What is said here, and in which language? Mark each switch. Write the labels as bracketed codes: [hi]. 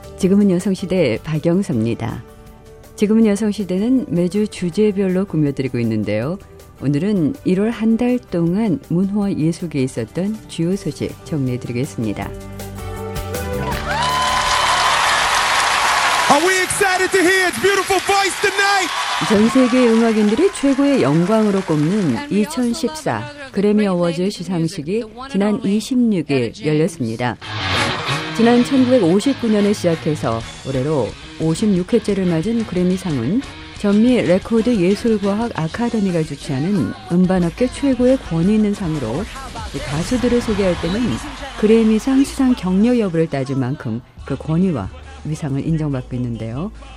[ko] 지금은 여성시대 박영섭입니다. 지금은 여성시대는 매주 주제별로 꾸며드리고 있는데요. 오늘은 1월 한 달 동안 문화 예술계에 있었던 주요 소식 정리해드리겠습니다. [en] Are we excited to hear its beautiful voice tonight? [ko] 전 세계 음악인들이 최고의 영광으로 꼽는 2014 그래미 어워즈 시상식이 지난 26일 열렸습니다. 지난 1959년에 시작해서 올해로 56회째를 맞은 그래미상은 전미 레코드 예술과학 아카데미가 주최하는 음반업계 최고의 권위 있는 상으로 가수들을 소개할 때는 그래미상 수상 격려 여부를 따질 만큼 그 권위와 위상을 인정받고 있는데요.